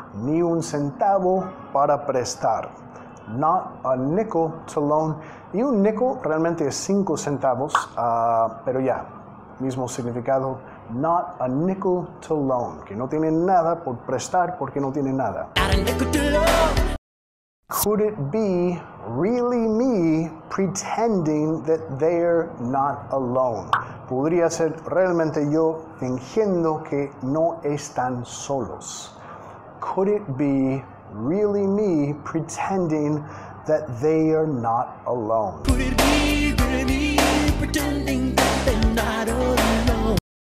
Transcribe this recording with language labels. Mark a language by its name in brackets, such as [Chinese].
[Spanish] Ni un centavo para prestar. [English] Not a nickel to loan. [Spanish] Y un nickel realmente es 5 centavos, pero ya, mismo significado. [English] Not a nickel to loan. [Spanish] Que no tiene nada por prestar porque no tiene nada. [English] Not a nickel to loan. Could it be really me pretending that they're not alone? [Spanish] Podría ser realmente yo fingiendo que no están solos. [English] Could it be really me pretending that they are not alone? Could it be really pretending that they're not alone?